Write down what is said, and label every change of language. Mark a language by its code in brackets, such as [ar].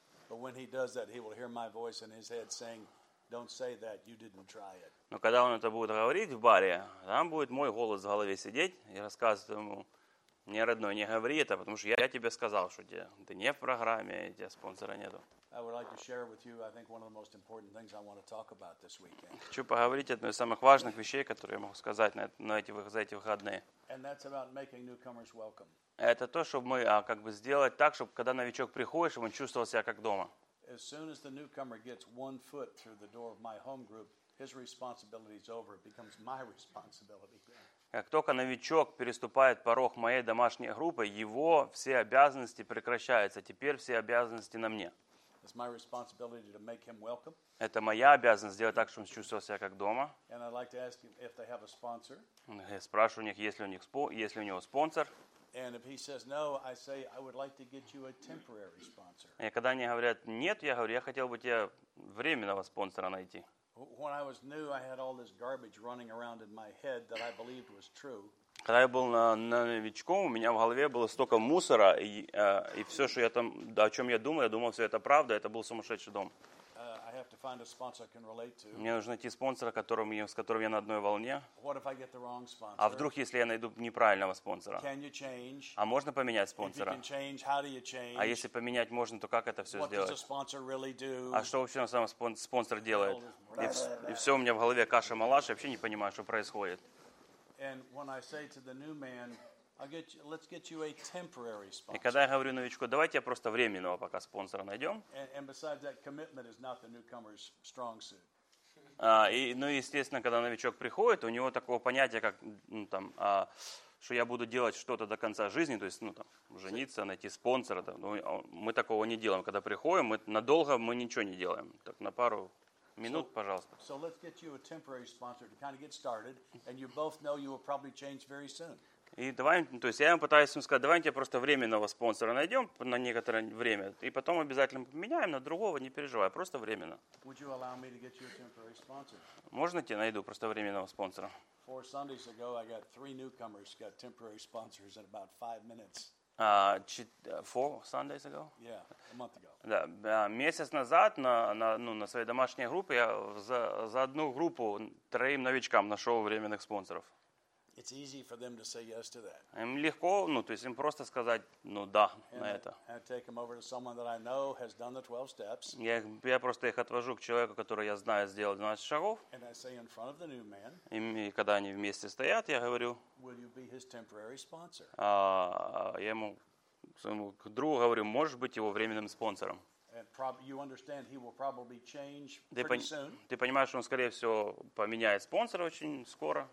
[en] But when he does that, he will hear my voice in his head saying, Don't say that. You didn't try it. [ru] Но когда он это будет говорить в баре, там будет мой голос в голове сидеть и рассказывать ему: мне, родной, не говори это, потому что я тебе сказал, что ты не в программе, и тебя спонсора нету. [en] I would like to share with you, I think, one of the most important things I want to talk about this weekend. [ru] Хочу поговорить одной из самых важных вещей, которые я могу сказать за эти выходные. [en] And that's about making newcomers welcome. [ru] Это то, чтобы мы как бы сделать так, чтобы когда новичок приходит, чтобы он чувствовал себя как дома. [en] As soon as the newcomer gets one foot through the door of my home group, his responsibility is over. It becomes my responsibility. [ru] Как только новичок переступает порог моей домашней группы, его все обязанности прекращаются. Теперь все обязанности на мне. [en] It's my responsibility to make him welcome. [ru] Это моя обязанность сделать так, чтобы он чувствовал себя как дома. [en] And I'd like to ask him if they have a sponsor. [ru] Я спрашиваю у них, есть ли у него спонсор. [en] And if he says no, I say I would like to get you a temporary sponsor. [ru] И когда они говорят нет, я говорю, я хотел бы тебе временного спонсора найти. [en] When I was new, I had all this garbage running around in my head that I believed was true. [ru] Когда я был новичком, у меня в голове было столько мусора, и все, что я там, о чем я думал, все это правда, это был сумасшедший дом. [en] I have to find a sponsor I can relate to. [ru] Мне нужно найти спонсора, с которым я на одной волне. [en] What if I get the wrong sponsor? [ru] А вдруг, если я найду неправильного спонсора? [en] Can you change? [ru] А можно поменять спонсора? [en] If you can change, how do you change? [ru] А если поменять можно, то как это все [en] What [ru] сделать? [en] Does a sponsor really do? [ru] А что вообще на самом спонсор делает? И все у меня в голове каша-малаш, я вообще не понимаю, что происходит. [en] And when I say to the new man, let's get you a temporary sponsor. [ru] И когда я говорю новичку, давайте я просто временного пока спонсора найдем. [en] And besides that, commitment is not the newcomer's strong suit. [ru] Естественно, когда новичок приходит, у него такого понятия, как, ну, там, что я буду делать что-то до конца жизни, то есть, ну, там, жениться, найти спонсора. Да, ну, мы такого не делаем. Когда приходим, мы надолго ничего не делаем. Так на пару минут, пожалуйста. [en] So let's get you a temporary sponsor to kind of get started, and you both know you will probably change very soon. [ru] И давай, то есть я ему пытаюсь сказать, давайте просто временного спонсора найдем на некоторое время, и потом обязательно поменяем на другого, не переживай, просто временно. [en] Would you allow me to get you a temporary sponsor? [ru] Можно тебе найду просто временного спонсора? [en] Four Sundays ago, I got three newcomers got temporary sponsors in about five minutes. Four Sundays ago? Yeah, a month ago. [ru] Да, месяц назад на своей домашней группе я за одну группу троим новичкам нашел временных спонсоров. [en] It's easy for them to say yes to that. [ru] Им легко, ну, то есть им просто сказать, ну, да, на это. [en] And I take them over to someone that I know has done the 12 steps. [ru] Я просто их отвожу к человеку, который я знаю сделал 12 шагов. [en] And I say in front of the new man. [ru] И когда они вместе стоят, я говорю. [en] Will you be his temporary sponsor? [ru] Я ему, своему другу говорю, можешь быть его временным спонсором. [en] And you understand he will probably change pretty soon. [ru] Ты понимаешь, что он скорее всего поменяет спонсора очень скоро.